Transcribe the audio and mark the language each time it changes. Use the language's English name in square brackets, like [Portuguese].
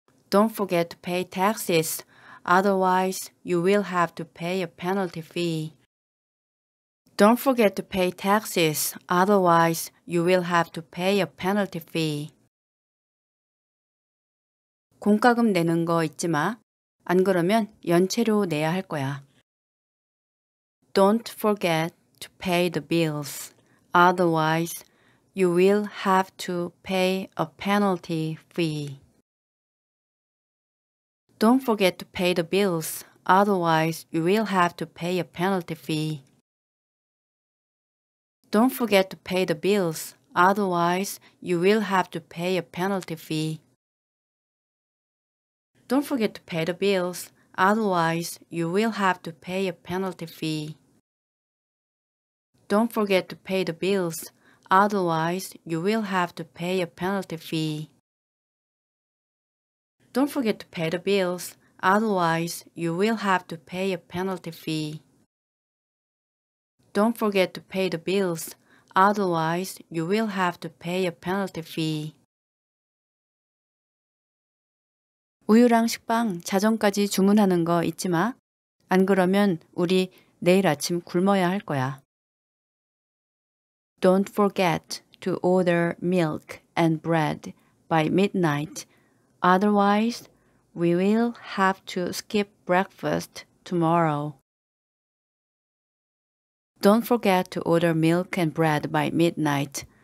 [English] Don't forget to pay taxes. Otherwise, you will have to pay a penalty fee. Don't forget to pay taxes. Otherwise, you will have to pay a penalty fee. [Korean] 공과금 내는 거 잊지 마. 안 그러면 연체료 내야 할 거야. [English] Don't forget to pay the bills. Otherwise, you will have to pay a penalty fee. Don't forget to pay the bills. Otherwise, you will have to pay a penalty fee. Don't forget to pay the bills. Otherwise, you will have to pay a penalty fee. Don't forget to pay the bills. Otherwise, you will have to pay a penalty fee. Don't forget to pay the bills. Otherwise, you will have to pay a penalty fee. Don't forget to pay the bills. Otherwise, you will have to pay a penalty fee. Don't forget to pay the bills. Otherwise, you will have to pay a penalty fee. [Korean] 우유랑 식빵, 자정까지 주문하는 거 잊지 마. 안 그러면 우리 내일 아침 굶어야 할 거야. [English] Don't forget to order milk and bread by midnight. Otherwise, we will have to skip breakfast tomorrow. Don't forget to order milk and bread by midnight.